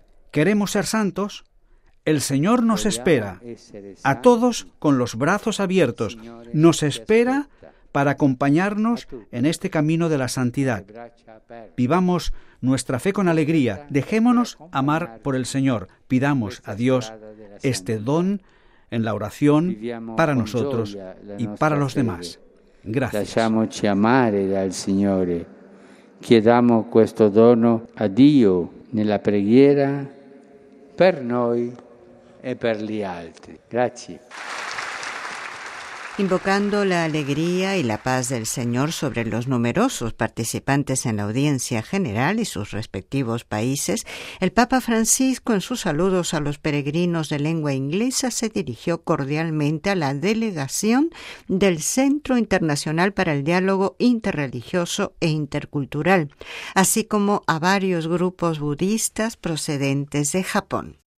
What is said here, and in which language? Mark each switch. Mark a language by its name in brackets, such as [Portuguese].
[Spanish] ¿Queremos ser santos? El Señor nos espera, a todos con los brazos abiertos, nos espera para acompañarnos en este camino de la santidad. Vivamos nuestra fe con alegría, dejémonos amar por el Señor, pidamos a Dios este don en la oración para nosotros y para los demás. Gracias. [Italian] Lasciamoci amare dal Signore, chiediamo questo dono a Dio nella preghiera per noi e per gli altri. Grazie. [Spanish] Invocando la alegría y la paz del Señor sobre los numerosos participantes en la audiencia general y sus respectivos países, el Papa Francisco, en sus saludos a los peregrinos de lengua inglesa, se dirigió cordialmente a la delegación del Centro Internacional para el Diálogo Interreligioso e Intercultural, así como a varios grupos budistas procedentes de Japón.